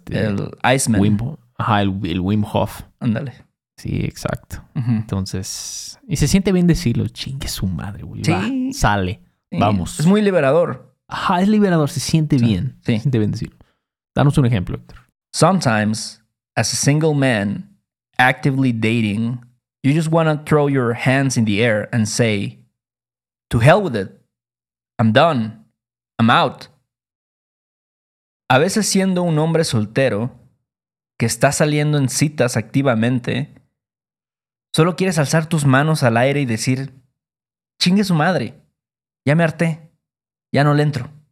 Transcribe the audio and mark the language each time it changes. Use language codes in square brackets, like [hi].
[es] El Iceman. El Wim Hof. Ándale. Sí, exacto. Uh-huh. Entonces... Y se siente bien decirlo, chingue su madre, güey. Sí. Va, sale, sí. vamos. Es muy liberador. Ajá, es liberador. Se siente sí, bien. Sí. Se siente bien decirlo. Danos un ejemplo, Héctor. [en] Sometimes, as a single man actively dating, you just want to throw your hands in the air and say, to hell with it. I'm done. I'm out. [es] A veces siendo un hombre soltero que está saliendo en citas activamente, solo quieres alzar tus manos al aire y decir, chingue su madre. Ya me harté. Ya no le entro.